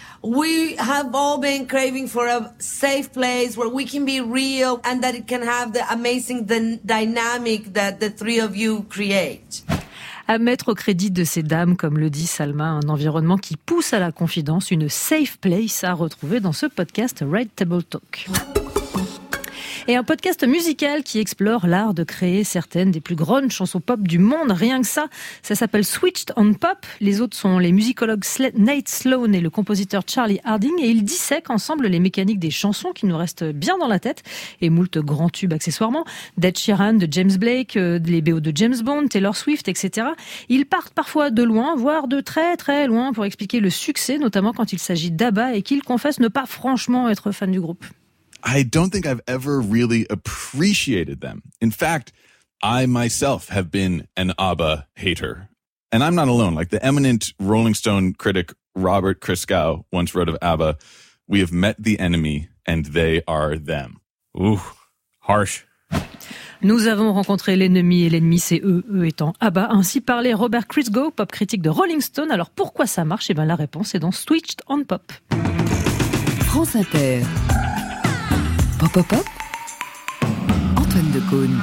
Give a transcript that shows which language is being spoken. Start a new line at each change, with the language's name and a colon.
English: We have all been craving for a safe place where we can be real and that it can have the amazing dynamic that the three of you create.
French: À mettre au crédit de ces dames, comme le dit Salma, un environnement qui pousse à la confidence, une safe place à retrouver dans ce podcast Red Table Talk. Et un podcast musical qui explore l'art de créer certaines des plus grandes chansons pop du monde, rien que ça. Ça s'appelle Switched on Pop. Les autres sont les musicologues Nate Sloan et le compositeur Charlie Harding. Et ils dissèquent ensemble les mécaniques des chansons qui nous restent bien dans la tête. Et moult grands tubes accessoirement. Dead Sheeran de James Blake, les BO de James Bond, Taylor Swift, etc. Ils partent parfois de loin, voire de très très loin pour expliquer le succès, notamment quand il s'agit d'ABBA et qu'ils confessent ne pas franchement être fans du groupe.
English: I don't think I've ever really appreciated them. In fact, I myself have been an ABBA hater. And I'm not alone. Like the eminent Rolling Stone critic Robert Christgau once wrote of ABBA, "We have met the enemy and they are them." Ooh, harsh.
French: Nous avons rencontré l'ennemi et l'ennemi, c'est eux, eux étant ABBA. Ainsi parlait Robert Christgau, pop critique de Rolling Stone. Alors pourquoi ça marche? Eh bien la réponse est dans Switched on Pop. France Inter. Pop-pop-pop, Antoine Decaune.